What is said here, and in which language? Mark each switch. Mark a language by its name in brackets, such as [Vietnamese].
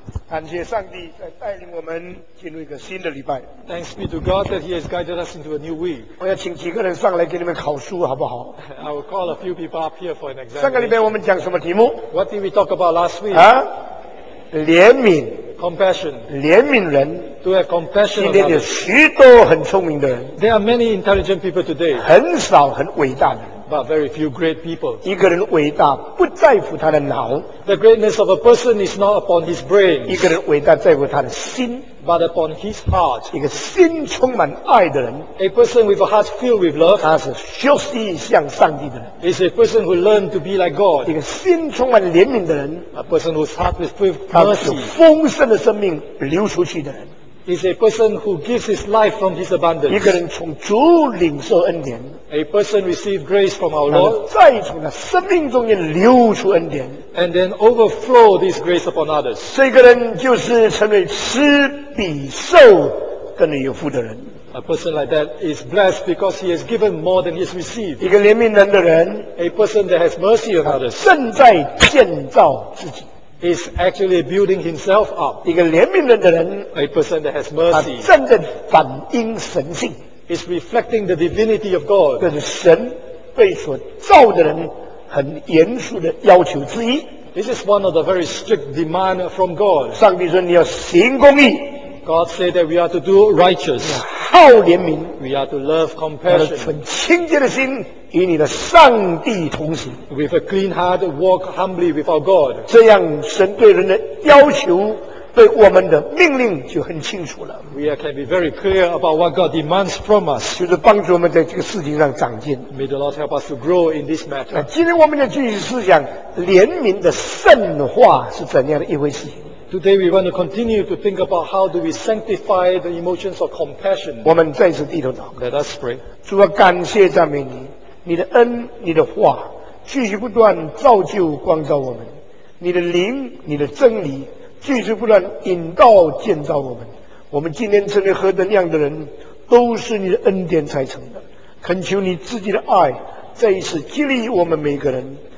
[Chinese] 感谢上帝在带领我们进入一个新的礼拜。 [English] Thanks be to God that He has guided us into a new week. [Chinese] 我要请几个人上来给你们考书，好不好 [English] ？I will call a few people up here for an exam. [Chinese] 上个礼拜我们讲什么题目 [English] ？What did we talk about last week? [Chinese] 啊，怜悯 [English] ，compassion， [Chinese] 怜悯人。 [English] To have compassion. [Chinese] 今天有许多很聪明的人。 [English] There are many intelligent people today. [Chinese] 很少很伟大的人。 [English] But very few great people. [Chinese] 一个人伟大不在乎他的脑。 [English] The greatness of a person is not upon his brain. [Chinese] 一个人伟大在乎他的心。 [English] But upon his heart. [Chinese] 一个心充满爱的人。 [English] A person with a heart filled with love. [Chinese] 他是学习向上帝的人。 [English] Is a person who learned to be like God. [Chinese] 一个心充满怜悯的人。 [English] A person whose heart is filled with mercy. [Chinese] 他是丰盛的生命流出去的人。 [English] Is a person who gives his life from his abundance. [Chinese] 一个人从主领受恩典。 [English] A person receives grace from our Lord. [Chinese] 再从他生命中间流出恩典。 [English] And then overflow this grace upon others. [Chinese] 这个人就是成为施比受更有福的人。 [English] A person like that is blessed because he has given more than he has received. [Chinese] 一个怜悯人的人。 [English] A person that has mercy on others. [Chinese] 正在建造自己。 [English] Is actually building himself up. [Chinese] 一个怜悯人的人 [English] ，a person that has mercy. [Chinese] 他真正反映神性 [English] ，is reflecting the divinity of God. [Chinese] 这是神对所造的人很严肃的要求之一。 [English] This is one of the very strict demand from God. [Chinese] 上帝说你要行公义。 [English] God said that we are to do righteous. [Chinese] 你要好怜悯。 [English] We are to love compassion. [Chinese] 要存清洁的心。与你的上帝同行 [English] ，with a clean heart, walk humbly with our God。 [Chinese] 这样，神对人的要求，对我们的命令就很清楚了。 [English] We can be very clear about what God demands from us。 [Chinese] 就是帮助我们在这个事情上长进。 [English] May the Lord help us to grow in this matter。 [Chinese] 今天我们的继续思想，怜悯的圣化是怎样的一回事？ [English] Today we want to continue to think about how do we sanctify the emotions of compassion。 [Chinese] 我们再次低头祷告。 [English] Let us pray。 [Chinese] 主啊，感谢赞美你。你的恩你的话继续不断造就光照我们你的灵你的真理继续不断引导建造我们我们今天成为何等样的人都是你的恩典才成的恳求你自己的爱再一次激励我们每个人